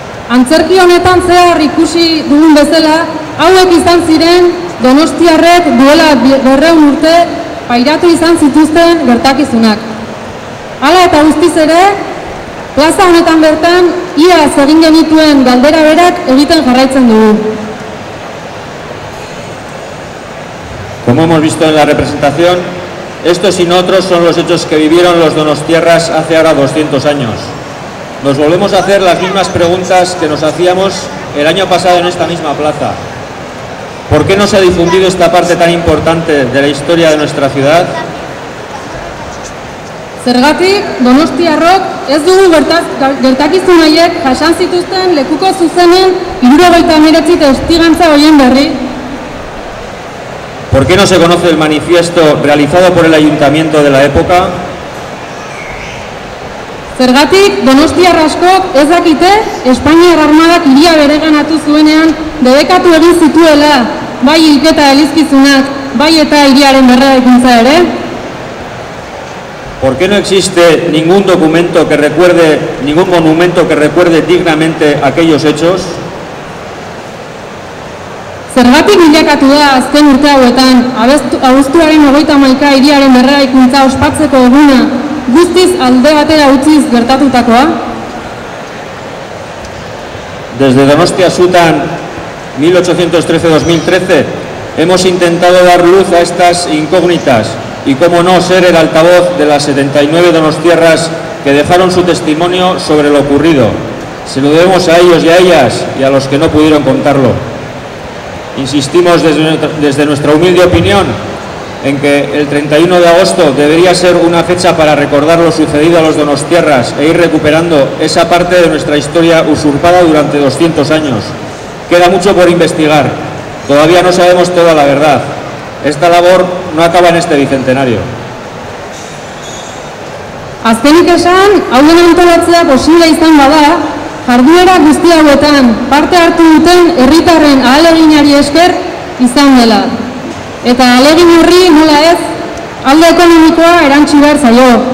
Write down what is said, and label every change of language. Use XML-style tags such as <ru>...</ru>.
<eu>Antzerki honetan zehar ikusi dugun bezala, hauek izan ziren Donostiarrek duela 200 urte pairatu izan zituzten gertakizunak. Hala eta guztiz ere, plaza honetan bertan iaz egin genituen galdera berak egiten jarraitzen dugu.</eu> <es>Como hemos visto en la representación, estos y no otros son los hechos que vivieron los donostiarras hace ahora 200 años. Nos volvemos a hacer las mismas preguntas que nos hacíamos el año pasado en esta misma plaza. ¿Por qué no se ha difundido esta parte tan importante de la historia de nuestra ciudad?</es> <eu>Zergatik, donostiarrok ez dugu gertakizun haiek jasan zituzten lekuko zuzenen 1979 testigantza hoien berri?</eu> <es>¿Por qué no se conoce el manifiesto realizado por el ayuntamiento de la época?</es> <eu>Zergatik, donostiar askok ez dakite Espainiar armadak hiria bereganatu zuenean debekatu egin zituela, bai hilketa elizkizunak, bai eta hiriaren berreraikuntza ere?</eu> <es>¿Por qué no existe ningún documento que recuerde, ningún monumento que recuerde dignamente aquellos hechos?</es> <eu>Zergatik bilakatu da azken urte hauetan, abuztuaren 31 hiriaren berreraikuntza ospatzeko eguna, guztiz alde batera utziz gertatutakoa?</eu> <es>Desde Donostia Sutan 1813-2013 hemos intentado dar luz a estas incógnitas y, cómo no, ser el altavoz de las 79 donostiarras que dejaron su testimonio sobre lo ocurrido. Se lo debemos a ellos y a ellas y a los que no pudieron contarlo. Insistimos desde nuestra humilde opinión en que el 31 de agosto debería ser una fecha para recordar lo sucedido a los donostiarras e ir recuperando esa parte de nuestra historia usurpada durante 200 años. Queda mucho por investigar. Todavía no sabemos toda la verdad. Esta labor no acaba en este bicentenario.</es> <eu>Azkenik esan, hauen antolatzea posible izan bada, jarduera guzti hauetan parte hartu duten herritarren ahaleginari esker izan dela. Eta alegin horri, nola ez, alde ekonomikoa erantsi behar zaio.</eu>